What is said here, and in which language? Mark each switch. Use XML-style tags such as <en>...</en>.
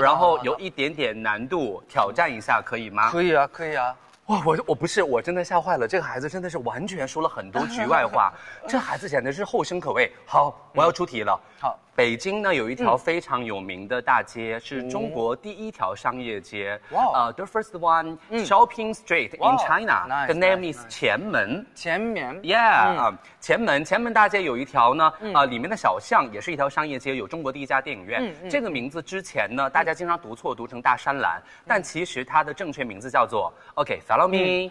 <zh>然后有一点点难度，挑战一下可以吗？可以啊，可以啊。哇，我不是，我真的吓坏了，这个孩子真的是完全说了很多局外话这孩子简直是后生可畏，好，我要出题了、好，北京呢有一条非常有名的大街、是中国第一条商业街，哇、</zh> <en>the first one shopping street in China、the name is 前门，</en> <zh>前门前门大街有一条呢、里面的小巷也是一条商业街，有中国第一家电影院、这个名字之前呢大家经常读错读成大山栏、但其实它的正确名字叫做</zh> <en>OK follow me、</en>